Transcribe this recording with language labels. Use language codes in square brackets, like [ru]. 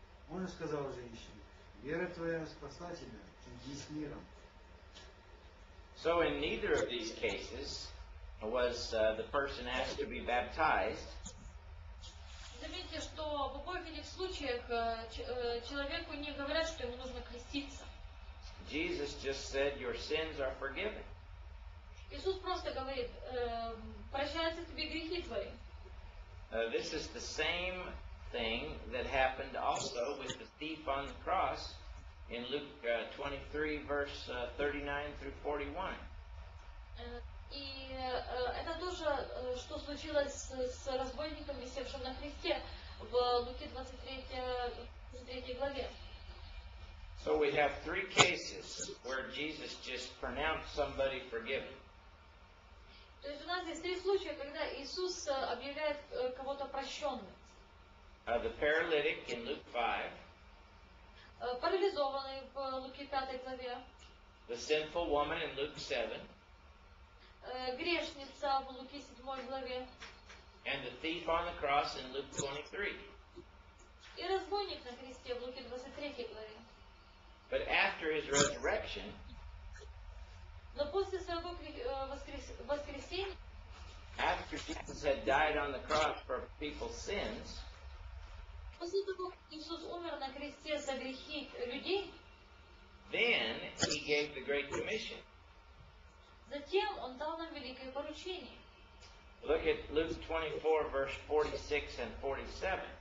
[ru] Он сказал женщине, вера твоя спасла тебя, иди с миром. [en] So in neither of these cases was the person asked to be baptized. [ru] Заметьте, что в обоих этих случаях человеку не говорят, что ему нужно креститься. [en] Jesus just said, your sins are forgiven. [ru] Иисус просто говорит, прощаются тебе грехи твои. [en] This is the same thing that happened also with the thief on the cross in Luke 23, verse 39 through 41. [ru] И это тоже, что случилось с разбойником, висевшим на кресте в Луке 23 главе. [en] So we have three cases where Jesus just pronounced somebody forgiven. [ru] То есть у нас здесь три случая, когда Иисус объявляет кого-то прощенным. [en] The paralytic in Luke 5. [ru] Парализованный в Луке 5 главе. [en] The sinful woman in Luke 7. [ru] Грешница в Луке 7 главе. [en] And the thief on the cross in Luke 23. [ru] И разбойник на кресте в Луке 23 главе. [en] But after his resurrection, [ru] но после своего воскресения, [en] after Jesus had died on the cross for people's sins, [ru] после того, как Иисус умер на кресте за грехи людей, [en] then he gave the great commission. [ru] Затем он дал нам великое поручение. [en] Look at Luke 24, verse 46 and 47.